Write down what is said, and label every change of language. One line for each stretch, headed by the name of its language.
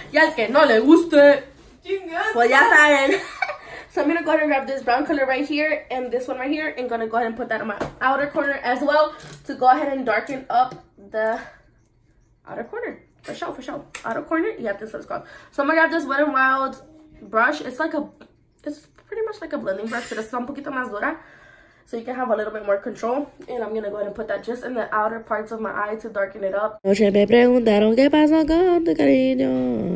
Spanish: Y al que no le guste, pues ya saben.
English: So I'm gonna go ahead and grab this brown color right here and this one right here, and gonna go ahead and put that in my outer corner as well to go ahead and darken up the outer corner. For sure, for sure. Out of corner, you have this, what it's called. So I'm gonna grab this Wet n Wild brush. It's pretty much like a blending brush, but it's
Spanish: un poquito más dura.
English: So you can have a little bit more control. And I'm going to go ahead and put that just in the outer parts of my eye to darken it up.
Spanish: Noche me preguntaron qué pasó con tu cariño.